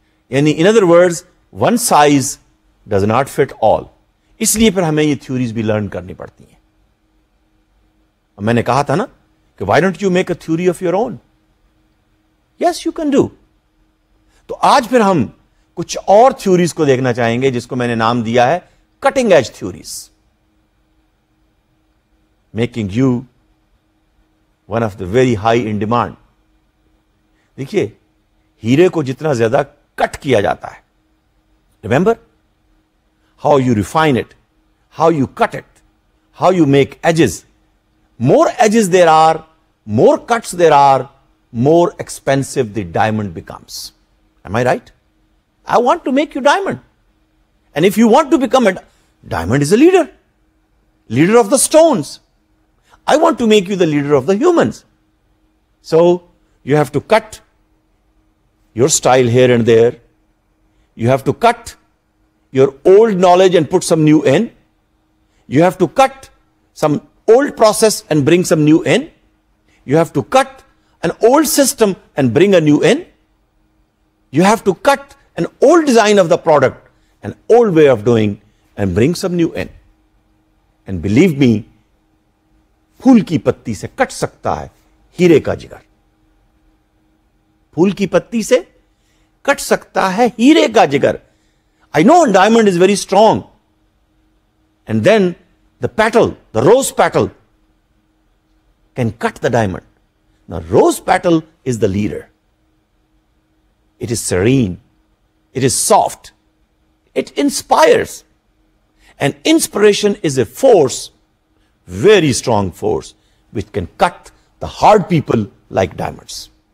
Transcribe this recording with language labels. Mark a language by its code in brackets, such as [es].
[en] Yani, in other words, one size does not fit all. [ur] اس لیے پھر ہمیں یہ تھیوریز بھی لرن کرنی پڑتی ہیں. میں نے کہا تھا نا کہ [en] why don't you make a theory of your own? Yes, you can do. [ur] تو آج پھر ہم کچھ اور تھیوریز کو دیکھنا چاہیں گے جس کو میں نے نام دیا ہے [en] cutting edge theories. Making you one of the very high in demand. [ur] دیکھیے, ہیرے کو جتنا زیادہ کٹ کیا جاتا ہے, [en] remember how you refine it, how you cut it, how you make edges, more edges there are, more cuts there are, more expensive the diamond becomes. Am I right? I want to make you diamond, and if you want to become a diamond is a leader, leader of the stones. I want to make you the leader of the humans. So you have to cut your style here and there. You have to cut your old knowledge and put some new in. You have to cut some old process and bring some new in. You have to cut an old system and bring a new in. You have to cut an old design of the product, an old way of doing, and bring some new in. And believe me, [ur] پھول کی پتی سے کٹ سکتا ہے ہیرے کا جگر. پھول کی پتی سے کٹ سکتا ہے ہیرے کا جگر. [en] I know diamond is very strong, and then the petal, the rose petal can cut the diamond. Now rose petal is the leader. It is serene, it is soft, it inspires, and inspiration is a force, very strong force, which can cut the hard people like diamonds.